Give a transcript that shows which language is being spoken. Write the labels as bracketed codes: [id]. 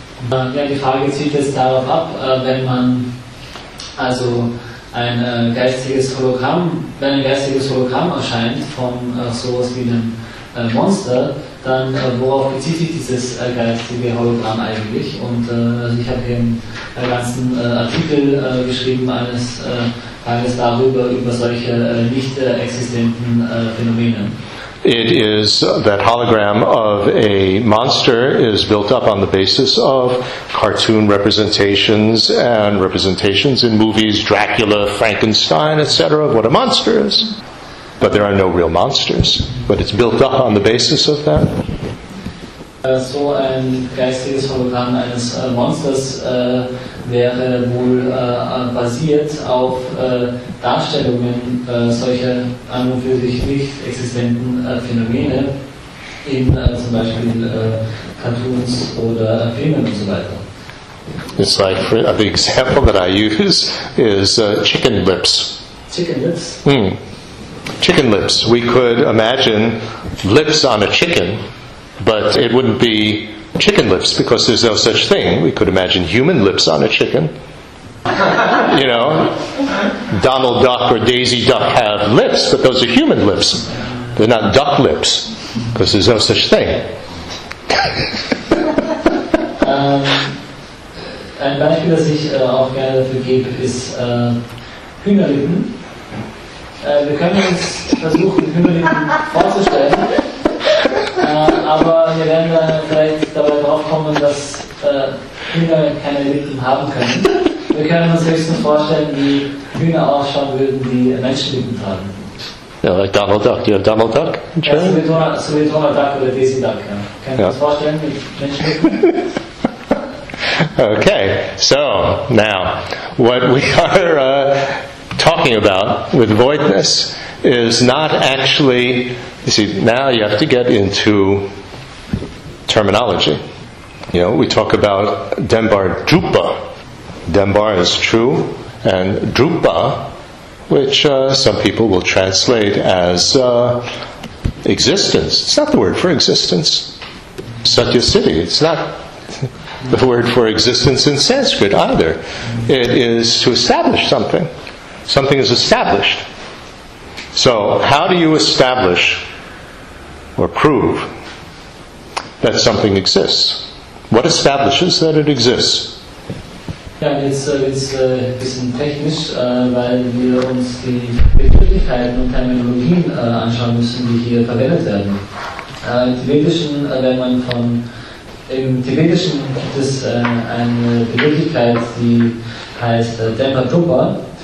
[de] Ja, die Frage zielt jetzt darauf ab, wenn man also ein geistiges Hologramm, wenn ein geistiges Hologramm erscheint von sowas wie einem Monster, dann worauf bezieht sich dieses geistige Hologramm eigentlich? Und also ich habe hier einen ganzen Artikel geschrieben eines Tages darüber, über solche nicht existenten Phänomene. [en] It is that hologram of a monster is built up on the basis of cartoon representations and representations in movies, Dracula, Frankenstein, etc., of what a monster is. But there are no real monsters. But it's built up on the basis of that. So ein geistiges Hologramm eines Monsters wäre wohl basiert auf Darstellungen solcher an und für sich nicht existenten Phänomene in zum Beispiel Cartoons oder Filmen und so weiter. It's like the example that I use is chicken lips. Chicken lips? Mm. Chicken lips. We could imagine lips on a chicken, but it wouldn't be chicken lips, because there's no such thing. We could imagine human lips on a chicken. You know, Donald Duck or Daisy Duck have lips, but those are human lips. They're not duck lips, because there's no such thing. [de] Ein Beispiel, das ich auch gerne dafür gebe, ist Hühnerlippen. Wir können uns versuchen, Hühnerlippen vorzustellen. Aber wir werden dann vielleicht dabei drauf kommen, dass Hühner keine Lippen haben können. Wir können uns höchstens vorstellen, wie Hühner ausschauen würden, die Menschenlippen tragen. [en] Ja, like Donald Duck. Do you have Donald Duck? [de] Ja, so wie Donald Duck oder Daisy Duck. Ja. Können wir uns vorstellen, wie Menschenlippen? [en] Okay, so now, what we are talking about with voidness is not actually, you see, now you have to get into terminology. You know, we talk about Dembar Drupa. Dembar is true, and Drupa, which some people will translate as existence. It's not the word for existence. Satyasiddhi, it's not the word for existence in Sanskrit either. It is to establish something. Something is established. So, how do you establish or prove that something exists? What establishes that it exists? [de] Ja, jetzt wird es ein bisschen technisch, weil wir uns die Begrifflichkeiten und Terminologien anschauen müssen, die hier verwendet werden. Im Tibetischen gibt es eine Begrifflichkeit, die heißt Dempa Drupa.